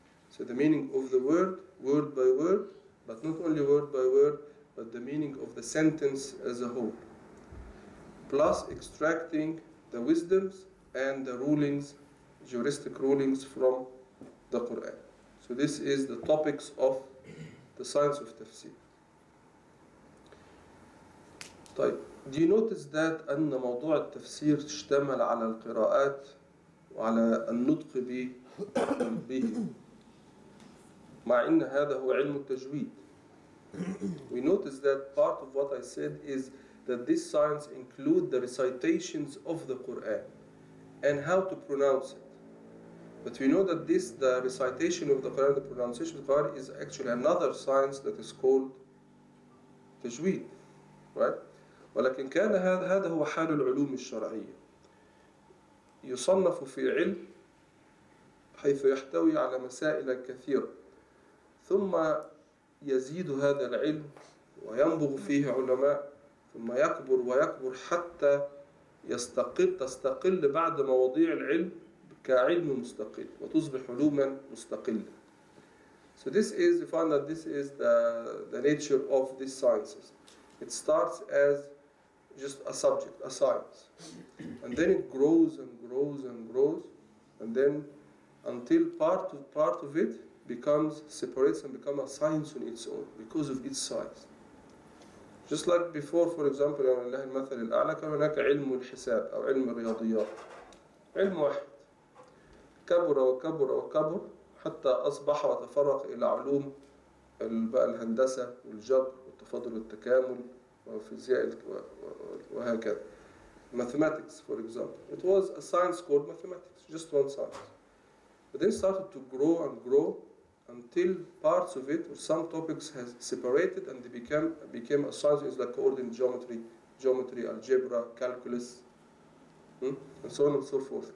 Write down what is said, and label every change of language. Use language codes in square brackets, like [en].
[en] So the meaning of the word, word by word, but not only word by word, but the meaning of the sentence as a whole. plus extracting the wisdoms and the rulings, juristic rulings from the Quran. So this is the topics of the science of tafsir. [ar] طيب, [en] do you notice that [ar] أن موضوع التفسير تشتمل على القراءات وعلى النطق به مع إن هذا هو علم التجويد. [en] We notice that part of what I said is that this science include the recitations of the Quran and how to pronounce it. But we know that this, the recitation of the Quran, the pronunciation of the Quran, is actually another science that is called tajweed, right? [ar] ولكن كان هذا هذا هو حال العلوم الشرعية يصنف في علم حيث يحتوي على مسائل كثيرة ثم يزيد هذا العلم وينبغ فيه علماء ثم يكبر ويكبر حتى يستقل تستقل بعد مواضيع العلم كعلم مستقل وتصبح علوما مستقلة. [en] So this is, you find that this is the nature of these sciences. It starts as just a subject, a science, and then it grows and grows and grows, and then until part of it becomes, separates and becomes a science on its own because of its size. Just like before, for example, [ar] يعني الله المثل الأعلى كان هناك علم الحساب أو علم الرياضيات علم واحد كبر وكبر وكبر حتى أصبح وتفرق إلى علوم الهندسة والجبر والتفاضل والتكامل وفيزياء وهكذا. [en] Mathematics, for example, it was a science called mathematics, just one science. But then started to grow and grow until parts of it or some topics has separated and they became a science. It's like coordinate geometry, algebra, calculus, and so on and so forth.